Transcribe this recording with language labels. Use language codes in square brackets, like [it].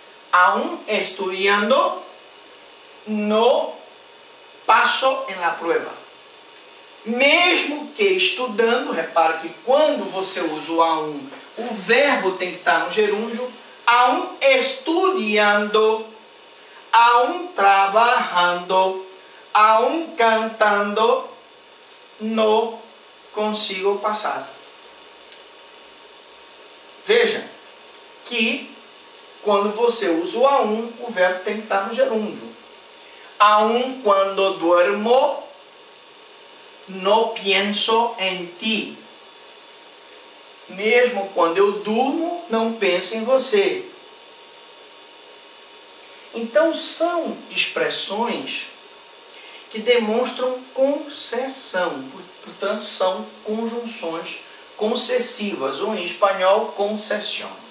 [es] Aún estudiando, no paso en la prueba. [pt] Mesmo que estudando, repara que quando você usa o aún, o verbo tem que estar no gerúndio. [es] Aún estudiando, aún trabajando, aún cantando, no consigo pasar. [pt] Veja que quando você usa o aún, o verbo tem que estar no gerúndio. [es] Aún cuando duermo, no pienso en ti. [pt] Mesmo quando eu durmo, não penso em você. Então, são expressões que demonstram concessão. Portanto, são conjunções concessivas, ou em espanhol, concessão.